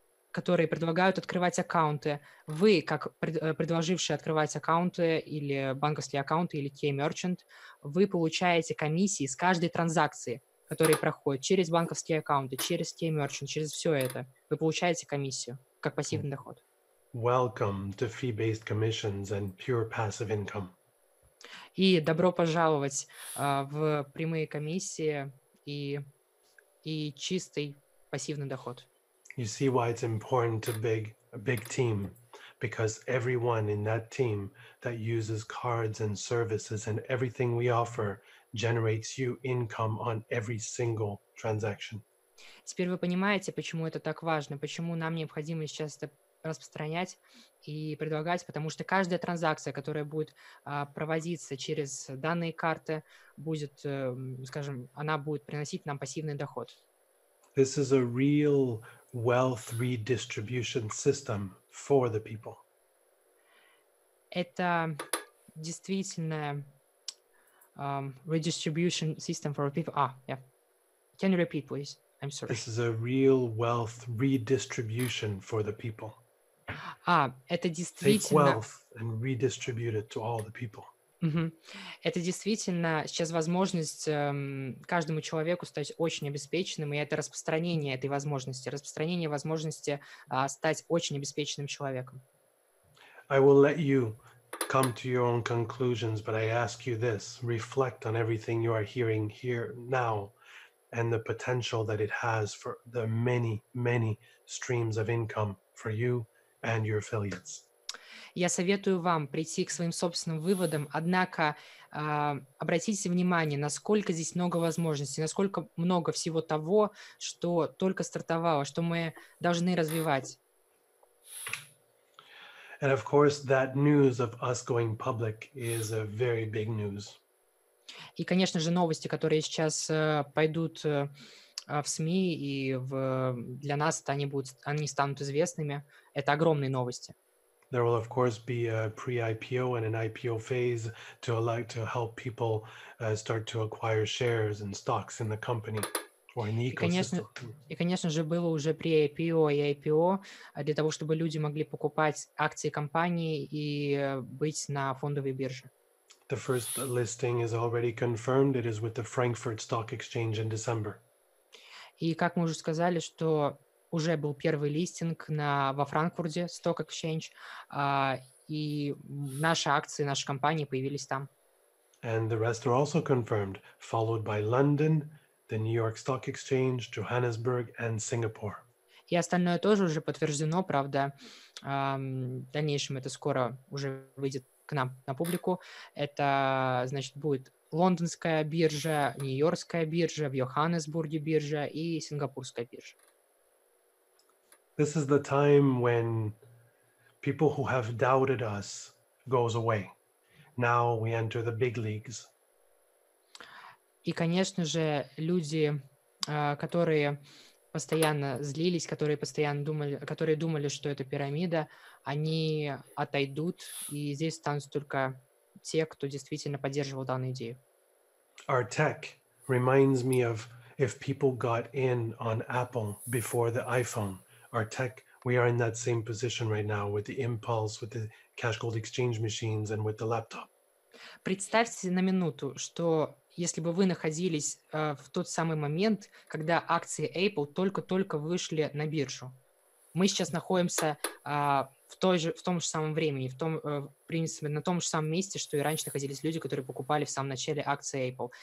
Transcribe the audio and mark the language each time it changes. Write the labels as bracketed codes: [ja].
[ru] которые предлагают открывать аккаунты. Вы, как предложившие открывать аккаунты или банковские аккаунты, или K-Merchant, вы получаете комиссии с каждой транзакции, которые проходят через банковские аккаунты, через K-Merchant, через все это. Вы получаете комиссию как пассивный доход. [en] Welcome to fee-based commissions and pure passive income. [ru] И добро пожаловать в прямые комиссии и чистый пассивный доход. [en] You see why it's important to big team, because everyone in that team that uses cards and services and everything we offer generates you income on every single transaction. [ru] Теперь вы понимаете, почему это так важно, почему нам необходимо сейчас это распространять и предлагать, потому что каждая транзакция, которая будет проводиться через данные карты, будет, скажем, она будет приносить нам пассивный доход. [en] This is a real wealth redistribution system for the people. [ru] Это действительно [en] redistribution system for people. Ah, yeah. Can you repeat, please? I'm sorry. This is a real wealth redistribution for the people. [ru] Ah, это действительно. [en] Take wealth and redistribute it to all the people. Mm-hmm. [ru] Это действительно сейчас возможность каждому человеку стать очень обеспеченным, и это распространение этой возможности, распространение возможности стать очень обеспеченным человеком. [en] I will let you come to your own conclusions, but I ask you this: reflect on everything you are hearing here now and the potential that it has for the many, many streams of income for you and your affiliates. [ru] Я советую вам прийти к своим собственным выводам, однако обратите внимание, насколько здесь много возможностей, насколько много всего того, что только стартовало, что мы должны развивать. [en] And of course, that news of us going public is a very big news. [ru] И, конечно же, новости, которые сейчас пойдут в СМИ, и для нас они станут известными, это огромные новости. [en] There will, of course, be a pre-IPO and an IPO phase to allow to help people start to acquire shares and stocks in the company or in the ecosystem. [ru] И, конечно же, было уже pre-IPO и IPO для того, чтобы люди могли покупать акции компании и быть на фондовой бирже. [en] The first listing is already confirmed. It is with the Frankfurt Stock Exchange in December. [ru] И как мы уже сказали, что уже был первый листинг во Франкфурте, Stock Exchange, и наши акции, наши компании появились там. [en] And the rest are also confirmed, followed by London, the New York Stock Exchange, Johannesburg, and Singapore. [ru] И остальное тоже уже подтверждено, правда, в дальнейшем это скоро уже выйдет к нам на публику. Это, значит, будет Лондонская биржа, Нью-Йоркская биржа, в Йоханнесбурге биржа и Сингапурская биржа. [en] This is the time when people who have doubted us goes away. Now we enter the big leagues. [ru] И, конечно же, люди, которые постоянно злились, которые думали, что это пирамида, они отойдут, и здесь останутся только те, кто действительно поддерживал данную идею. [en] Our tech reminds me of if people got in on Apple before the iPhone. Our tech, we are in that same position right now with the impulse, with the cash gold exchange machines and with the laptop. [ru] Представьте на минуту, что если бы вы находились в тот самый момент, когда акции Apple только-только вышли на биржу. Мы сейчас находимся в том же самом месте, что и раньше находились люди, которые покупали в самом начале акции Apple.